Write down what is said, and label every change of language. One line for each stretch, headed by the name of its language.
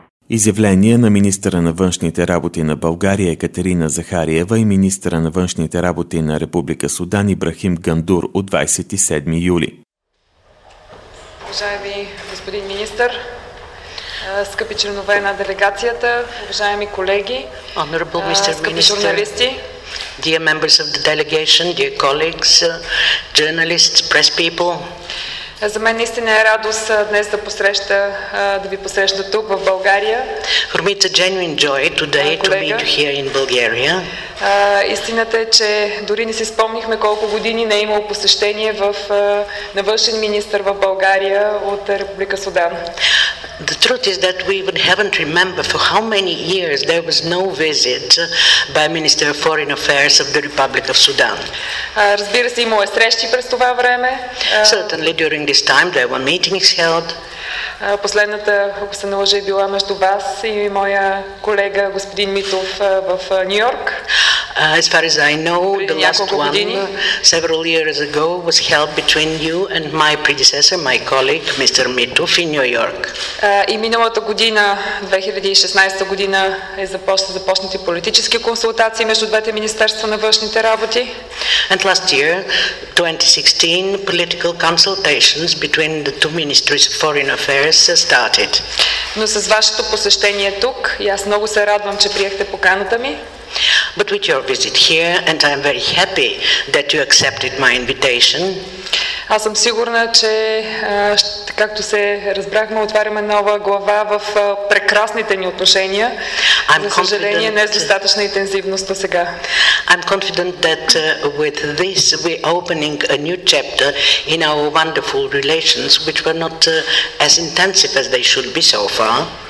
Bulgarian: Изявление на министъра на външните работи на България Екатерина Захариева и министъра на външните работи на Република Судан Ибрахим Гандур от 27 юли. Уважаеми господин министър, скъпи членове на делегацията, уважаеми колеги, скъпи журналисти,
English: dear members of the delegation, dear colleagues, journalists, press people.
Bulgarian: За мен наистина е радост днес да посреща, да ви посреща тук в България.
English: For me it's a genuine joy today to meet you here in Bulgaria.
Bulgarian: Истината е, че дори не си спомнихме колко години не е имало посещение в на външен министър в България от Република Судан.
English: The truth is that we even haven't remember for how many years there was no visit by Minister of Foreign Affairs of the Republic of Sudan.
Bulgarian: Разбира се, имало е срещи през това време.
English: Certainly during this time there were meetings held.
Bulgarian: Последната, ако се наложи, е била между вас и моя колега господин Митов в Нью-Йорк.
English: As far as I know, the last one, several years ago, was held between you and my predecessor, my colleague, Mr. Mitov, in New York.
Bulgarian: И миналата година, 2016 година, е започнати политически консултации между двете министерства на външните работи.
English: And last year, 2016, political consultations between the two ministries of foreign affairs started.
Bulgarian: Но с вашето посещение тук, и аз много се радвам, че приехте поканата ми.
English: But with your visit here, and I am very happy that you accepted my invitation.
Bulgarian: Аз съм сигурна, че както се разбрахме, отваряме нова глава в прекрасните ни отношения.
English: I'm
Bulgarian: За съжаление, не е с достатъчна интензивност до сега.
English: I'm confident that with this we are opening a new chapter in our wonderful relations, which were not as intensive as they should be so far.